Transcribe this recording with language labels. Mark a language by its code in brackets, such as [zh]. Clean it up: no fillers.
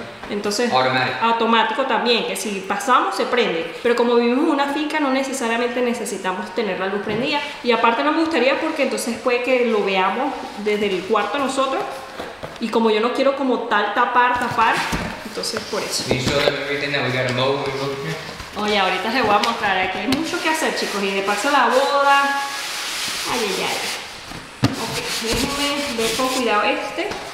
[es] Entonces, automático también. Que si pasamos se prende. Pero como vivimos en una finca, no necesariamente necesitamos tener la luz prendida. Y aparte no me gustaría porque entonces puede que lo veamos desde el cuarto nosotros. Y como yo no quiero como tal tapar. Entonces, por eso. [en] Can you show them everything that we got to mow when we moved here? [es] Oye, ahorita les voy a mostrar, aquí hay mucho que hacer, chicos, y de paso la boda. Ay, ay, ay. Ok, déjenme ver con cuidado este.